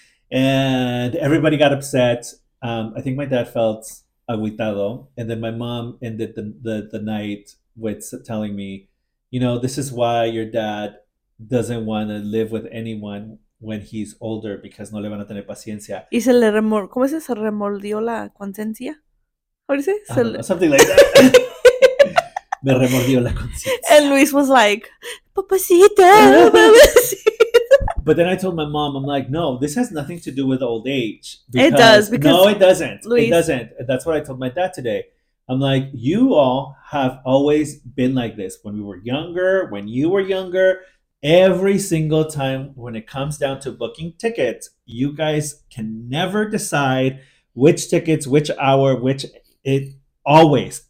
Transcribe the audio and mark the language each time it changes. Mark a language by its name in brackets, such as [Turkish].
[English] And everybody got upset. I think my dad felt aguitado. And then my mom ended the night with telling me, you know, this is why your dad doesn't want to live with anyone when he's older, because [Spanish] no le van a tener paciencia. Y se le ¿cómo es? ¿Se remordió la conciencia? ¿Cómo dice? [English] Something like that. [Spanish] Me remordió la conciencia. [English] And Luis was like, [Spanish] papacito, papacito. [English] But then I told my mom, I'm like, no, this has nothing to do with old age. It does. Because no, it doesn't. Luis. It doesn't. That's what I told my dad today. I'm like, you all have always been like this. When we were younger, when you were younger, every single time when it comes down to booking tickets, you guys can never decide which tickets, which hour, which it always.